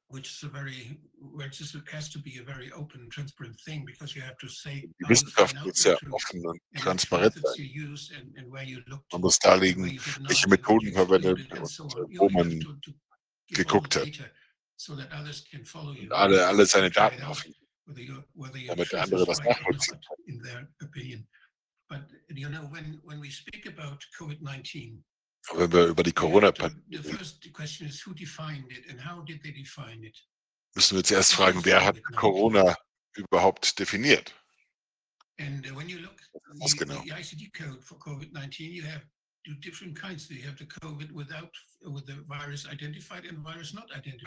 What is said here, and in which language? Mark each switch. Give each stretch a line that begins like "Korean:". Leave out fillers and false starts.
German: Die Wissenschaft muss ja offen und transparent sein. Man muss darlegen, welche Methoden verwendet und wo man geguckt hat. Und alle seine Daten offen, damit der andere was nachvollziehen kann.
English: But you know, when we speak about COVID-19,
German: wenn wir über die Corona-Pandemie,
English: the first question is who defined it and how did they define it?
German: Müssen wir zuerst fragen, wer hat Corona überhaupt definiert?
English: And when you look
German: at genau?
English: The ICD code for COVID-19, you have different kinds. You have the COVID without, with the virus identified and virus not identified.